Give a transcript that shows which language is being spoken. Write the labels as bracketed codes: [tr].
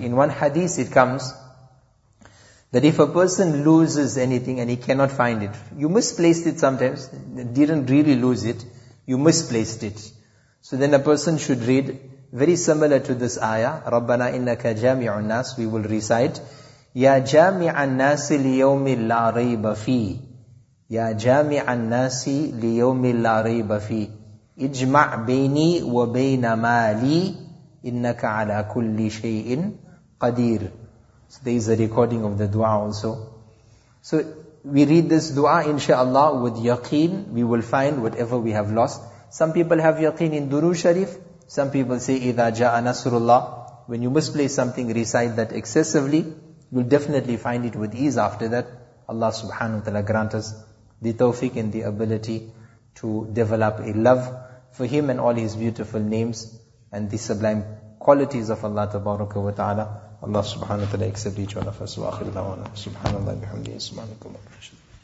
[en] In one hadith it comes that if a person loses anything and he cannot find it, you misplaced it sometimes, didn't really lose it, you misplaced it. So then a person should read, very similar to this ayah, [ar] رَبَّنَا إِنَّكَ جَامِعُ النَّاسِ. We will recite, يَا جَامِعَ النَّاسِ لِيَوْمِ لَا رَيْبَ فِي. يَا جَامِعَ النَّاسِ لِيَوْمِ لَا رَيْبَ فِي. اِجْمَعْ بَيْنِي وَبَيْنَ مَالِي إِنَّكَ عَلَى كُلِّ شَيْءٍ قَدِيرٍ. [en] So there is a recording of the dua also. So we read this dua, inshallah, with yaqeen. We will find whatever we have lost. Some people have yaqeen in durood sharif. Some people say, [ar] إِذَا جَاءَ نَصْرُ اللَّهِ. [en] When you misplace something, recite that excessively. You'll definitely find it with ease after that. Allah subhanahu wa ta'ala grant us the tawfiq and the ability to develop a love for Him and all His beautiful names and the sublime qualities of Allah tabaraka wa ta'ala. [ar] الله سبحانه وتعالى يكسب لي جوانا فاسوا آخر دعوانا سبحان الله بحمده سبحانه وتعالى